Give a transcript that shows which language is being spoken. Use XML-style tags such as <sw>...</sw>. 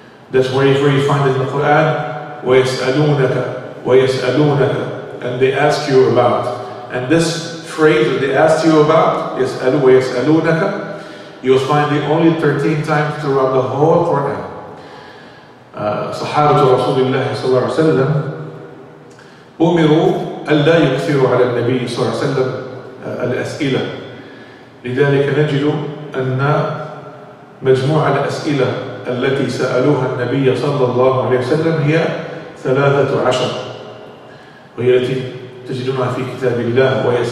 <en>That's where you find in the Quran,</en> <ar>وَيَسْأَلُونَكَ وَيَسْأَلُونَكَ</ar> <en>and they ask you about. And this phrase that they asked you about,</en> <ar>يسألوا ويسألونك,</ar> <en>you'll find the only 13 times throughout the whole Quran.</en> <ar>صحابة رسول الله صلى الله عليه وسلم أمروا ألا يكثروا على النبي صلى الله عليه وسلم الأسئلة. لذلك نجد أن مجموع الأسئلة التي سألوها النبي صلى الله عليه وسلم هي 13 وهي التي تجدونها في كتاب الله</ar>